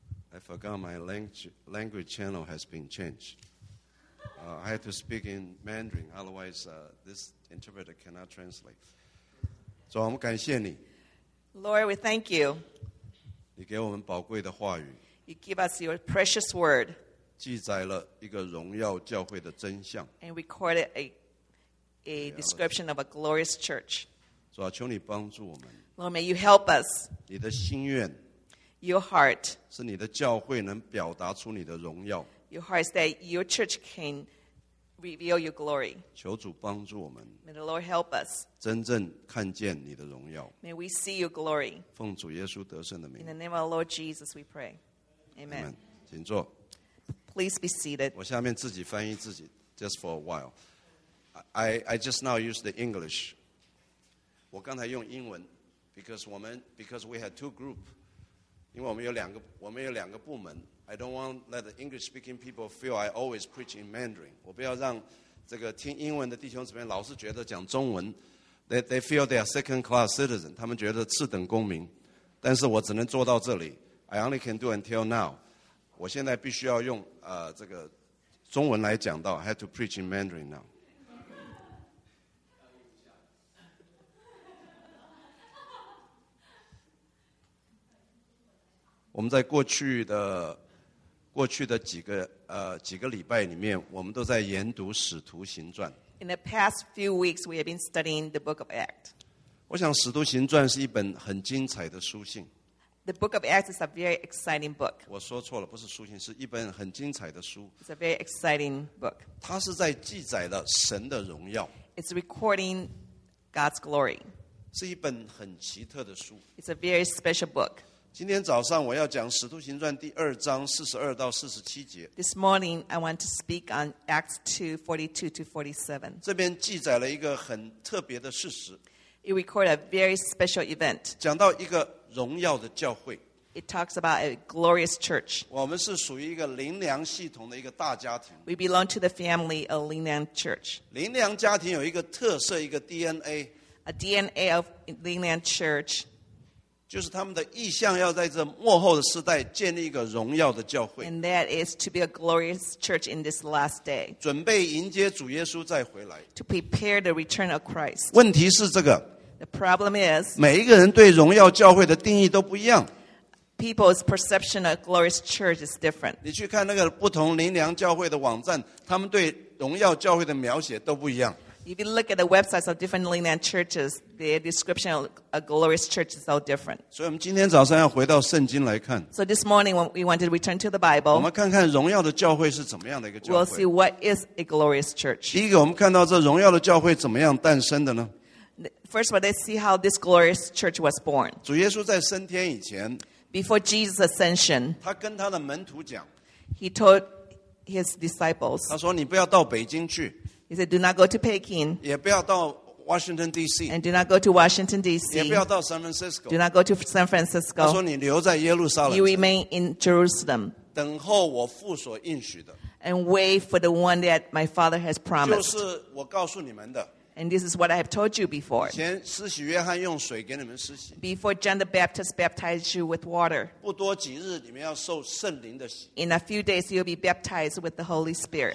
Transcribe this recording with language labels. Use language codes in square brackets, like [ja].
[en] I forgot my language channel has been changed. I have to speak in Mandarin, otherwise this interpreter cannot translate. [zh] So, 我们感谢你。 [en] Lord, we thank you. [zh] 你给我们宝贵的话语。 [en] You give us your precious word. [zh] 记载了一个荣耀教会的真相。 [en] And recorded a description of a glorious church. [zh] 主啊，求你帮助我们。 [en] Lord, may you help us. [zh] 你的心愿。 [en] Your heart. [zh] 是你的教会能表达出你的荣耀。 [en] Your heart is that your church can reveal your glory. [zh] 求主帮助我们。 [en] May the Lord help us. [zh] 真正看见你的荣耀。 [en] May we see your glory. [zh] 奉主耶稣得胜的名。 [en] In the name of our Lord Jesus, we pray. Amen. [zh] Amen. 请坐。 [en] Please be seated. [zh] 我下面自己翻译自己 ， just for a while. [en] I just now use the English. 我刚才用英文 because we had two groups. 因为我们有两个部门 I don't want to let the English speaking people feel I always preach in Mandarin 我不要让这个听英文的弟兄姊妹老是觉得讲中文 they feel they are second class citizen 他们觉得次等公民但是我只能做到这里 I only can do until now [zh] 我现在必须要用这个中文来讲到 I have to preach in Mandarin now 我们在过去的几个礼拜里面，我们都在研读《使徒行传》。 [en] In the past few weeks, we have been studying the Book of Acts. [zh] 我想《使徒行传》是一本很精彩的书信。 [en] The Book of Acts is a very exciting book. [zh] 我说错了，不是书信，是一本很精彩的书。 [en] It's a very exciting book. [zh] 它是在记载了神的荣耀。 [en] It's recording God's glory. [zh] 是一本很奇特的书。 [en] It's a very special book. [zh] 今天早上我要讲《使徒行传》第二章四十二到四十七节。 [en] This morning I want to speak on Acts 2:42-47. [zh] 这边记载了一个很特别的事实。 [en] It records a very special event. [zh] 讲到一个荣耀的教会。 [en] It talks about a glorious church. [zh] 我们是属于一个灵粮系统的一个大家庭。 [en] We belong to the family of Linang Church. [zh] 灵粮家庭有一个特色，一个 DNA. [en] A DNA of Linang Church. [zh] 就是他们的意向要在这末后的时代建立一个荣耀的教会。 [en] And that is to be a glorious church in this last day. [zh] 准备迎接主耶稣再回来。 [en] To prepare the return of Christ. [zh] 问题是这个。 [en] The problem is. [zh] 每一个人对荣耀教会的定义都不一样。 [en] People's perception of glorious church is different. [zh] 你去看那个不同灵粮教会的网站，他们对荣耀教会的描写都不一样。 [en] If you look at the websites of different Linang churches, their description of a glorious church is all different. [zh] 所以我们今天早上要回到圣经来看。 [en] So this morning we want to return to the Bible. [zh] 我们看看荣耀的教会是怎么样的一个教会。 [en] We'll see what is a glorious church. [zh] 第一个，我们看到这荣耀的教会怎么样诞生的呢 [en] ？First of all, let's see how this glorious church was born. [zh] 主耶稣在升天以前 [en] ，Before Jesus' ascension, [zh] 他跟他的门徒讲 [en] ，He told his disciples. [zh] 他说：“你不要到北京去。” [en] He said, "Do not go to Peking." [zh] 也不要到 Washington D.C. [en] And do not go to Washington D.C. [zh] 也不要到 San Francisco. [en] Do not go to San Francisco. [zh] 他说你留在耶路撒冷。 [en] You remain in Jerusalem. [zh] 等候我父所应许的。 [en] And wait for the one that my Father has promised. [zh] 就是我告诉你们的。 [en] And this is what I have told you before. [zh] 以前施洗约翰用水给你们施洗, [en] before John the Baptist baptized you with water. [zh] 不多几日, 你们要受圣灵的洗, [en] in a few days, you'll be baptized with the Holy Spirit.